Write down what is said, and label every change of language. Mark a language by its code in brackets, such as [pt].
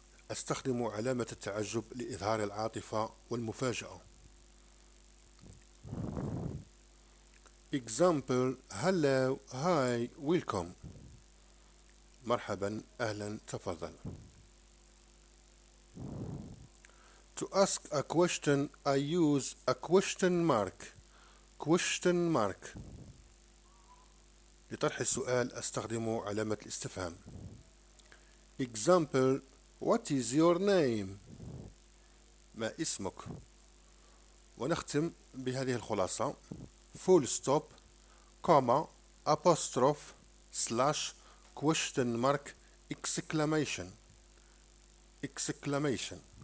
[ar] أستخدم علامة التعجب لإظهار العاطفة والمفاجأة. [en] example hello hi welcome [ar] مرحبا أهلا تفضل. [en] to ask a question I use a question mark question mark. [ar] لطرح السؤال أستخدم علامة الاستفهام. [en] example What is your name? [ar] ما اسمك؟ ونختم بهذه الخلاصة. [en] Full stop, comma, apostrophe, slash, question mark, exclamation. Exclamation.